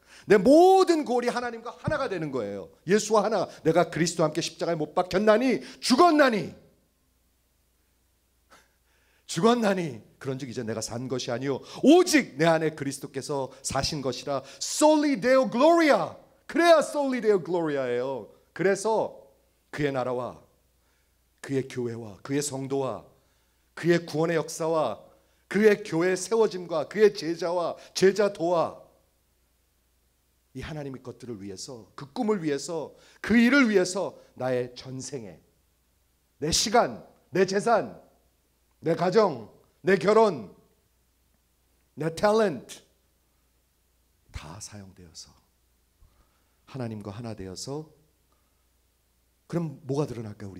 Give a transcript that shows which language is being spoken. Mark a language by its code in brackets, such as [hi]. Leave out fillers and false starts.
[ko] 내 모든 골이 하나님과 하나가 되는 거예요. 예수와 하나가. 내가 그리스도와 함께 십자가에 못 박혔나니 죽었나니. 죽었나니. 그런즉 이제 내가 산 것이 아니오 오직 내 안에 그리스도께서 사신 것이라. [la] Soli Deo Gloria. [ko] 그래야 Soli Deo Gloria예요. 그래서 그의 나라와 그의 교회와 그의 성도와 그의 구원의 역사와 그의 교회 세워짐과 그의 제자와 제자도와 이 하나님의 것들을 위해서, 그 꿈을 위해서, 그 일을 위해서 나의 전생에 내 시간, 내 재산, 내 가정, 내 결혼, 내 탤런트 다 사용되어서 하나님과 하나 되어서 그럼 뭐가 드러날까요?